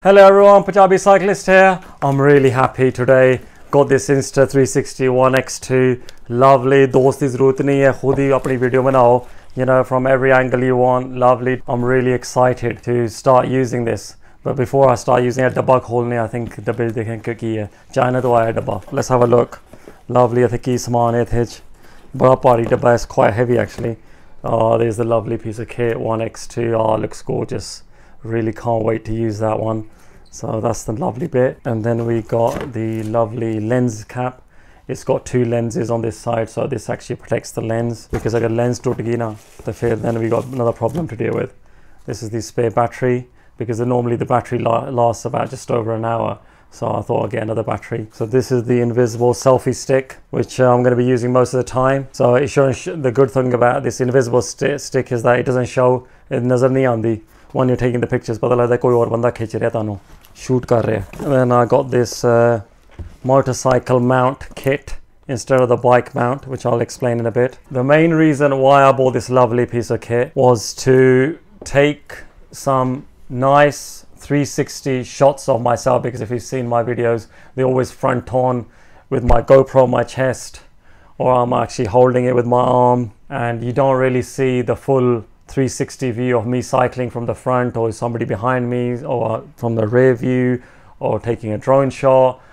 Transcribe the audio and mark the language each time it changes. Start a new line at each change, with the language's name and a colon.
English: Hello everyone, Punjabi Cyclist here. I'm really happy today. Got this Insta360 ONE X2. Lovely.
Hindi: दोस्ती ज़रूरत नहीं है। ख़ुद ही अपनी वीडियो बनाओ।
English: You know, from every angle you want. Lovely. I'm really excited to start using this. But before I start using it,
Hindi: dabba kholne,
English: I think the bill
Hindi: dekhen kya ki hai. China to aaya dabba.
English: Let's have a look. Lovely.
Punjabi: ਇੱਥੇ ਕੀ ਸਮਾਨ ਹੈ ਇੱਥੇ।
Hindi: बड़ा भारी डब्बा।
English: It's quite heavy actually. Oh, there's the lovely piece of kit. ONE X2. Oh, looks gorgeous. Really can't wait to use that one. So that's the lovely bit. And then we got the lovely lens cap. It's got two lenses on this side, so this actually protects the lens, because like a lens
Hindi: toot gayi na to fir
English: then we got another problem to deal with. This is the spare battery, because normally the battery lasts about just over an hour, so I thought I'd get another battery. So this is the invisible selfie stick, which I'm going to be using most of the time. So it shows the good thing about this invisible stick is that it doesn't show in
Punjabi: nazar nahi aandi
English: when you're taking the pictures.
Punjabi: ਪਤਾ ਲੱਗਦਾ ਕੋਈ ਔਰ ਬੰਦਾ ਖਿੱਚ ਰਿਹਾ ਤੈਨੂੰ shoot ਕਰ ਰਿਹਾ।
English: Then I got this motorcycle mount kit instead of the bike mount, which I'll explain in a bit. The main reason why I bought this lovely piece of kit was to take some nice 360 shots of myself, because if you've seen my videos, they're always front on with my GoPro on my chest, or I'm actually holding it with my arm, and you don't really see the full 360 view of me cycling from the front, or somebody behind me, or from the rear view, or taking a drone shot.